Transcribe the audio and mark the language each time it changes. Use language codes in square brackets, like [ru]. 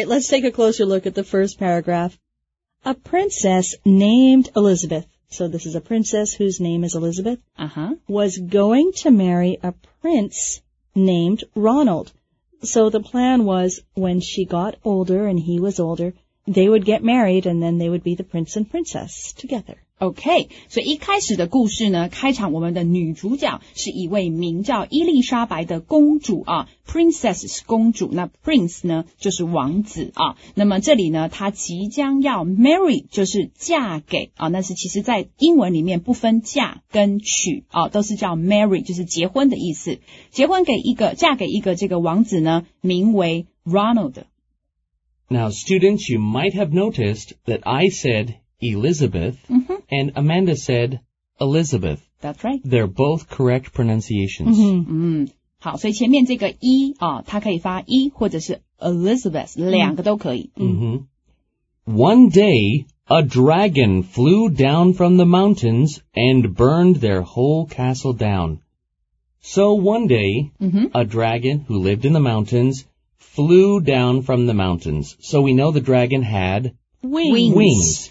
[en] All right, let's take a closer look at the first paragraph. A princess named Elizabeth, so this is a princess whose name is Elizabeth, was going to marry a prince named Ronald. So the plan was when she got older and he was older, they would get married and then they would be the prince and princess together. Okay, so [zh] 一开始的故事呢，开场我们的女主角是一位名叫伊丽莎白的公主啊 ，princess 是公主，那 prince 呢就是王子啊。那么这里呢，她即将要 marry 就是嫁给啊，那是其实在英文里面不分嫁跟娶啊，都是叫 marry 就是结婚的意思，结婚给一个嫁给一个这个王子呢，名为 Ronald。 [en] Now, students, you might have noticed that I said. Elizabeth, and Amanda said Elizabeth. That's right. They're both correct pronunciations. [zh] 好，所以前面这个一啊，它可以发一，或者是 Elizabeth， 两个都可以。 [en] One day, a dragon flew down from the mountains and burned their whole castle down. So one day, a dragon who lived in the mountains flew down from the mountains. So we know the dragon had... Wings.